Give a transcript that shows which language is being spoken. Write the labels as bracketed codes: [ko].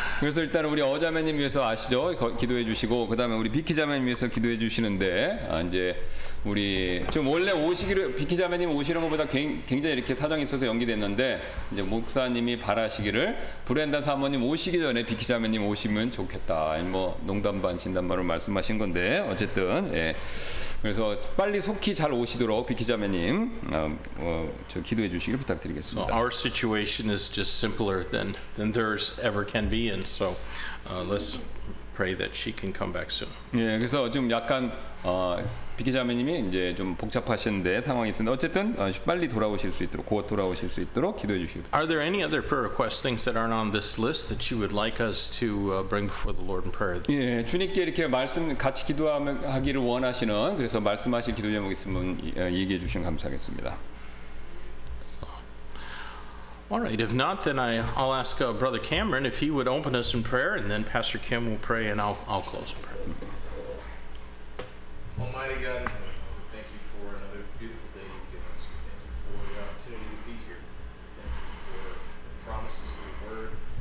[ko] 그래서 일단 우리 어자매님 위해서 아시죠? 기도해 주시고 그다음에 우리 비키 자매님 위해서 기도해 주시는데 이제 우리 좀 원래 오시기로 비키 자매님 오시는 것보다 굉장히 이렇게 사정이 있어서 연기됐는데 이제 목사님이 바라시기를 브렌다 사모님 오시기 전에 비키 자매님 오시면 좋겠다. 뭐 농담 반 진담반으로 말씀하신 건데 어쨌든 예. 그래서 빨리 속히 잘 오시도록 비키 자매님 저 기도해 주시길 부탁드리겠습니다. [en] Our situation is just simpler than theirs ever can be, and so let's pray that she can come back soon. [ko] 예, 그래서 좀 약간 비키 자매님이 이제 좀 복잡하신데 상황이 있는데 어쨌든 빨리 돌아오실 수 있도록 곧 돌아오실 수 있도록 기도해 주십시오. [en] Are there any other prayer requests, things that aren't on this list that you would like us to bring before the Lord in prayer? [ko] 예, 주님께 이렇게 말씀 같이 기도하기를 원하시는 그래서 말씀하실 기도 제목 있으면 얘기해 주시면 감사하겠습니다. [en] All right, if not, then I'll ask Brother Cameron if he would open us in prayer, and then Pastor Kim will pray, and I'll close in prayer. Almighty God, thank you for another beautiful day you've given us. Thank you for the opportunity to be here. Thank you for the promises of your word.